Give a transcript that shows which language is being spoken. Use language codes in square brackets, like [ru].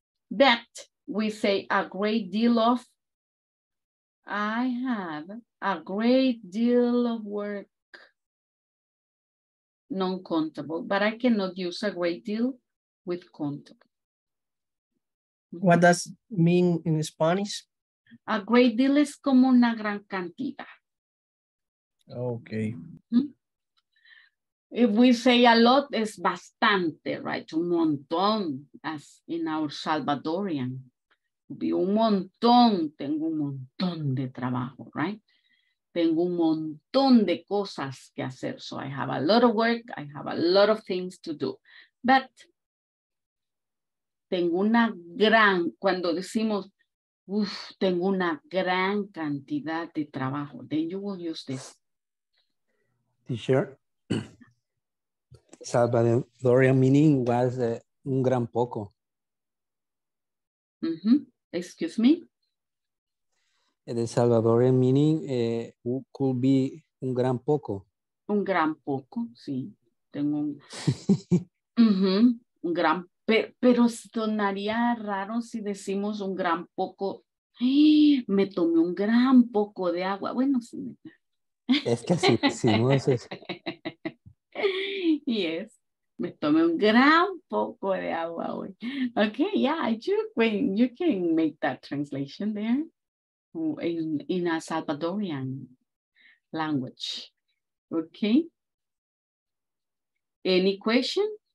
[en] That we say a great deal of. I have a great deal of work. Non-countable, but I cannot use a great deal with countable. What does mean in Spanish? A great deal is [es] como una gran cantidad. [en] Okay. If we say a lot, it's bastante, right? [es] Un montón, [en] as in our Salvadorian. [es] Be un montón, tengo un montón de trabajo, right? Tengo un montón de cosas que hacer. [en] So I have a lot of work, I have a lot of things to do. [es] But tengo una gran, cuando decimos, uf, tengo una gran cantidad de trabajo, [en] then you will use this. T-shirt. Salvadorian meaning was [es] un gran poco. [en] Mm-hmm. Excuse me? The Salvadorian meaning could be [es] un gran poco. Un gran poco, sí. Tengo un... mm-hmm. Un gran... Pero sonaría raro si decimos un gran poco. Me tomé un gran poco de agua. Bueno, sí. Es que así decimos eso. [en] Yes. [es] Me tomé un gran poco de agua hoy. [en] Okay, yeah, you can make that translation there in a Salvadorian language. Okay. Any question?